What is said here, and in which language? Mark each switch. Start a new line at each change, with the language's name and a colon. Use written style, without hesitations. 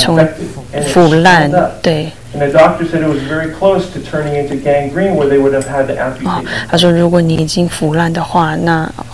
Chinese: 这个伤口如果你没有去处理的话，它会受感染，然后它会肿起来。它这个肿起来的话，如果你不处理的话，它会直接成腐烂，对。
English: And the doctor said it was very close to turning into gangrene, where they would have had to amputate.
Chinese: 他说，如果你已经腐烂的话，那